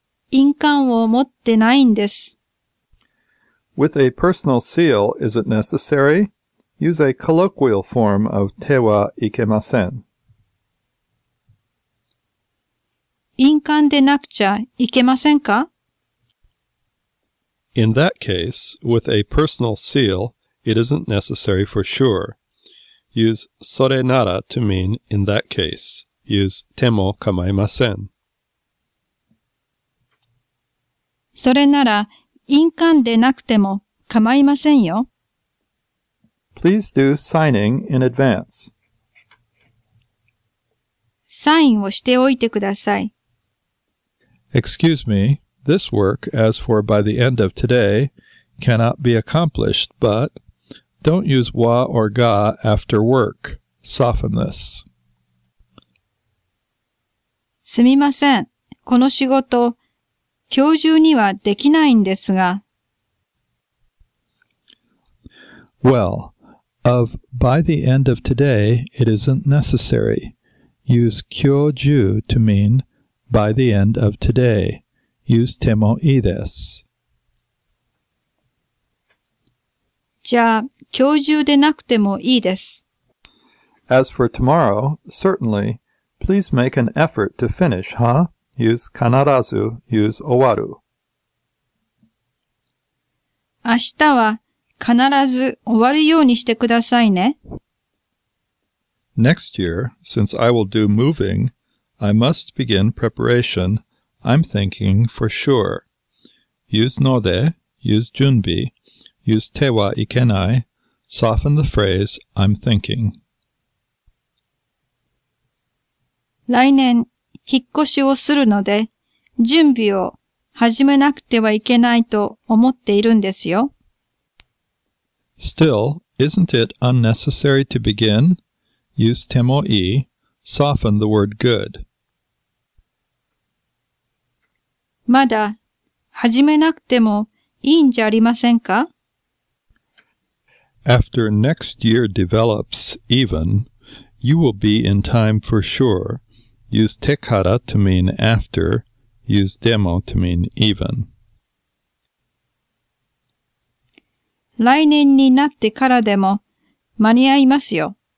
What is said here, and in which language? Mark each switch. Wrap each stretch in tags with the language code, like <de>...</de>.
<ja>印鑑を持ってないんです。</ja> <en>With a personal seal, is it necessary? Use a colloquial form of 手はいけません。</en> <ja>印鑑でなくちゃいけませんか?</ja> <en>In that case, with a personal seal, it isn't necessary for sure. Use それなら to mean in that case. Use てもかまいません。</en> <ja>それなら、印鑑でなくても構いませんよ。</ja> <en>Please do signing in advance.</en> <ja>サインをしておいてください。</ja> <en>Excuse me, this work, as for by the end of today, cannot be accomplished, but don't use wa or ga after work. Soften this.</en> <ja>すみません。この仕事、今日中にはできないんですが。</ja> <en>Well, of by the end of today, it isn't necessary. Use 今日中 to mean by the end of today. Use てもいいです。</en> <ja>じゃあ、今日中でなくてもいいです。</ja> <en>As for tomorrow, certainly, please make an effort to finish, huh? Use 必ず, use 終わる。</en> <ja>明日は必ず終わるようにしてくださいね。</ja> <en>Next year, since I will do moving, I must begin preparation, I'm thinking for sure. Use ので, use 準備, use 手はいけない, soften the phrase, I'm thinking.</en> <ja>来年、引っ越しをするので、準備を始めなくてはいけないと思っているんですよ。</ja> <en>Still, isn't it unnecessary to begin? Use てもいい、soften the word good.</en> <ja>まだ、始めなくてもいいんじゃありませんか?</ja> <en>After next year develops even, you will be in time for sure. Use てから to mean after. Use でも to mean even.</en> <ja>来年になってからでも間に合いますよ。</ja>